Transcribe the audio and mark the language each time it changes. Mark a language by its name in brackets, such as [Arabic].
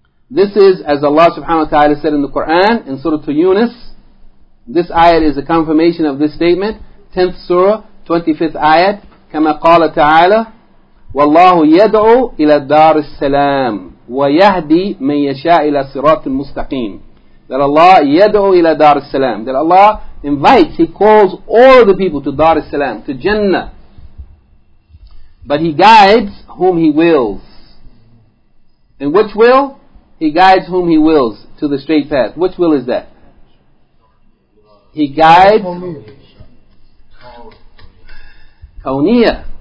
[English] This is, as Allah subhanahu wa ta'ala said in the Quran, in Surah Yunus, this ayat is a confirmation of this statement, 10th Surah, 25th ayat, [Arabic] كَمَا قَالَ تَعَالَى وَاللَّهُ يَدْعُوا إِلَى الدَّارِ السَّلَامِ وَيَهْدِي مَنْ يَشَاءِ إِلَى صِرَاطِ الْمُسْتَقِيمِ. [English] That Allah [Arabic] يَدْعُوا إِلَى دَارِ السَّلَامِ. [English] That Allah invites, He calls all of the people to Dar es Salaam, to Jannah. But He guides whom He wills. And which will? He guides whom He wills to the straight path. Which will is that? He guides Kauniya.